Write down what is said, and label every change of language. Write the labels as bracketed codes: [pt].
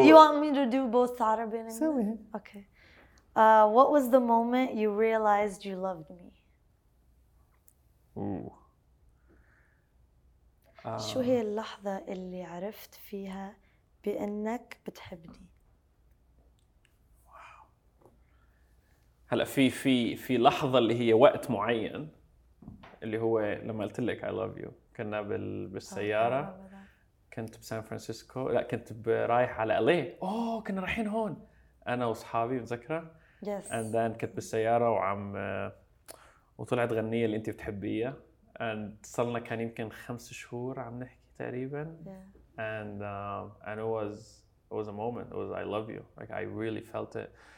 [en] You want me to do both Arabic and English? Okay. What was the moment you realized you loved me? Ooh. [ar] شو هي اللحظة اللي عرفت فيها بأنك بتحبني؟ [en] Wow. [ar] هلأ في في في لحظة اللي هي وقت معين. اللي هو لما قلت لك [en] I love you [ar] كنا بالسيارة كنت بسان فرانسيسكو لا كنت برايح على LA أوه كنا رايحين هون أنا وصحابي بتذكرة [en] yes. and then [ar] كنت بالسيارة وعم وطلعت غنية اللي أنت بتحبيها [en] and [ar] صلنا كان يمكن 5 شهور عم نحكي تقريبا [en] yeah. and it was a moment it was I love you like I really felt it.